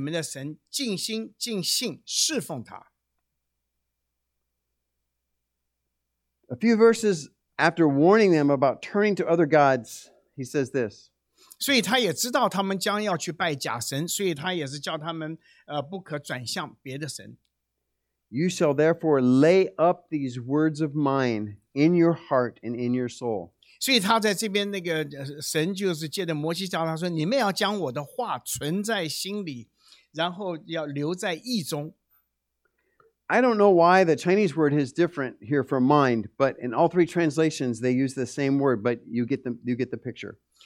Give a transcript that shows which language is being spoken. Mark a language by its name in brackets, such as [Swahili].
[Chinese] 但是这样子的祝福确实有一个条件，这个条件就是说，你们若留意听我今日所吩咐你们的，爱耶和华你们的神，尽心尽性侍奉他。 [English] A few verses after warning them about turning to other gods, he says this. [Chinese] 所以他也知道他们将要去拜假神，所以他也是叫他们不可转向别的神。 [English] You shall therefore lay up these words of mine in your heart and in your soul. [Chinese] 所以他在这边那个神就是借着摩西叫他说，你们要将我的话存在心里，然后要留在意中。 [English] I don't know why the Chinese word is different here for mind, but in all three translations, they use the same word, but you get the picture.